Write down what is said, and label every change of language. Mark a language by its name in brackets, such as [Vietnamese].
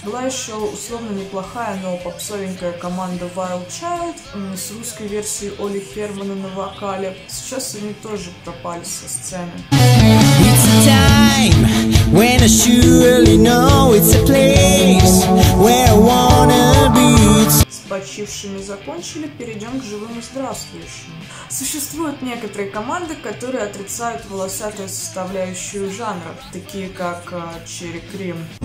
[Russian] еще условно неплохая, но попсовенькая команда Wild Child с русской версией Оли Хермана на вокале. Сейчас они тоже пропали со сцены. [English] It's a time when I surely know it's a place where I wanna be. [Russian] Почившими закончили, перейдем к живым и здравствующим. Существуют некоторые команды, которые отрицают волосатую составляющую жанра, такие как Cherry Cream.